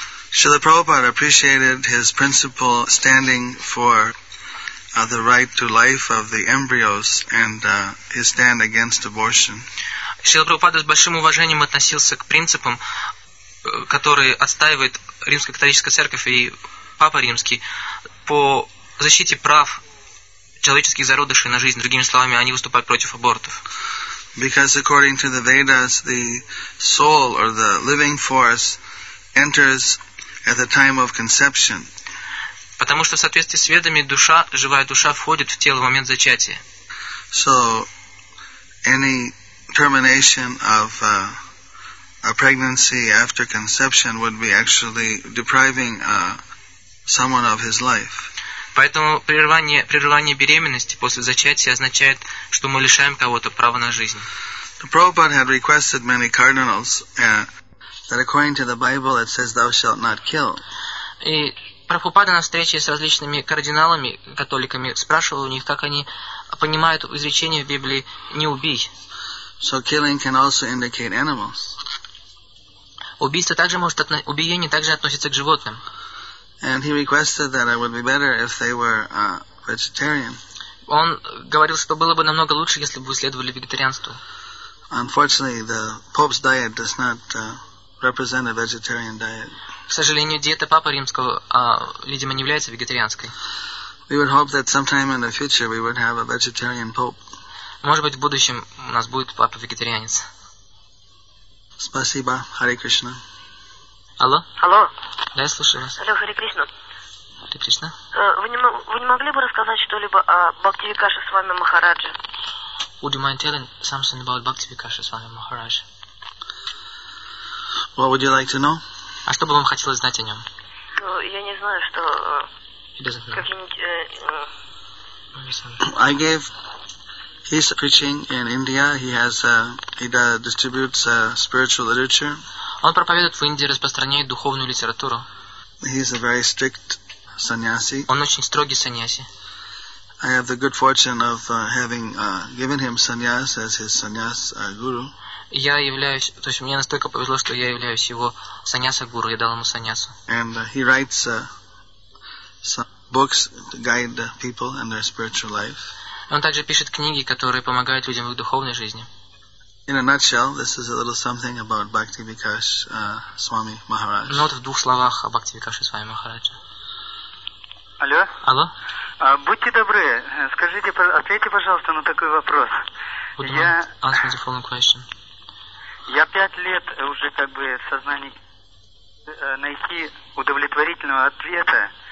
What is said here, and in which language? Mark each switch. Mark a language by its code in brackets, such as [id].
[en] Шрила Прабхупада appreciated his principle standing for the right to life of the embryos and his stand against abortion. [ru] Шрила Прабхупада с большим уважением относился к принципам, которые отстаивает Римская католическая церковь и Папа Римский по защите прав человеческих зародышей на жизнь. Другими словами, они выступают против абортов. [en] Because according to the Vedas, the soul or the living force enters at the time of conception. [ru] Потому что в соответствии с ведами душа, живая душа, входит в тело в момент зачатия. [en] So any termination of a pregnancy after conception would be actually depriving someone of his life. [ru] Поэтому прерывание беременности после зачатия означает, что мы лишаем кого-то права на жизнь. [en] The Prabhupada had requested many cardinals that according to the Bible it says thou shalt not kill. [ru] И Прабхупада на встрече с различными кардиналами, католиками, спрашивал у них, как они понимают изречение в Библии «не убий». [en] So killing can also indicate animals. [ru] Убийство также может убиение также относится к животным. [en] And he requested that it would be better if they were vegetarian. [ru] Он говорил, что было бы намного лучше, если бы следовали вегетарианству. [en] Unfortunately, the Pope's diet does not represent a vegetarian diet. [ru] К сожалению, диета Папы Римского, видимо, не является вегетарианской. [en] We would hope that sometime in the future we would have a vegetarian pope. [ru] Может быть, в будущем у нас будет папа-вегетарианец. Спасибо, Харе Кришна. Алло? Алло. Да, я слушаю вас. Алло, Харе Кришна. Харе Кришна. Вы не могли бы рассказать что-либо о Бхакти Викаше с вами Махараджи? [en] Would you mind telling something about Bhakti Vikash Swami Maharaj? What would you like to know? [ru] А что бы вам хотелось знать о нем? Я не знаю, что... [en] He doesn't know. I gave his preaching in India. He has he distributes spiritual literature. [ru] Он проповедует в Индии, распространяет духовную литературу. [en] He is a very strict sannyasi. [ru] Он очень строгий сannyasi. [en] I have the good fortune of having given him sannyas as his sannyas guru. [ru] Я являюсь, то есть мне настолько повезло, что я являюсь его sannyasa guru. Я дал ему sannyasu. [en] And he writes books to guide people in their spiritual life. [ru] Он также пишет книги, которые помогают людям в их духовной жизни. [en] In a nutshell, this is a little something about Bhakti Vikash Swami Maharaj. [ru] Ну вот в двух словах о Бхакти Викаше Свами Махараджа. Алло. Алло. Будьте добры, скажите, ответьте, пожалуйста, на такой вопрос. [en] Answer the following question. [ru] Я 5 лет уже как бы в сознании найти удовлетворительного ответа.